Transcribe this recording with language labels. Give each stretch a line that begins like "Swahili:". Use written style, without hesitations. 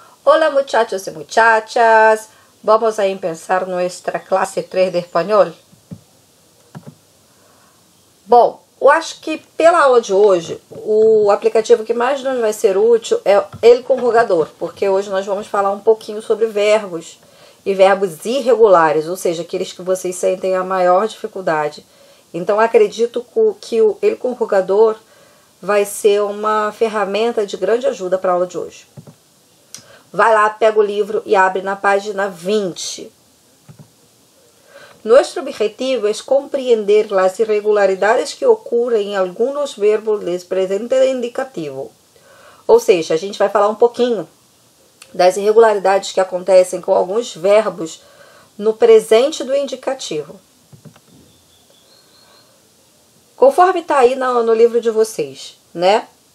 Spanish: Hola muchachos y muchachas, vamos a empezar nuestra clase 3 de
Portuguese: espanhol. Bom, eu acho que pela aula de hoje, o aplicativo que mais nos vai ser útil é El Conjugador, porque hoje nós vamos falar um pouquinho sobre verbos e verbos irregulares, ou seja, aqueles que vocês sentem a maior dificuldade. Então, acredito que o El Conjugador vai ser uma ferramenta de grande ajuda para a aula de hoje. Vai lá, pega o livro e abre na página 20.
Spanish: Nuestro objetivo es compreender las irregularidades que ocurren en algunos verbos del presente indicativo.
Portuguese: Ou seja, a gente vai falar um pouquinho das irregularidades que acontecem com alguns verbos no presente do indicativo. Conforme está aí no livro de vocês, né?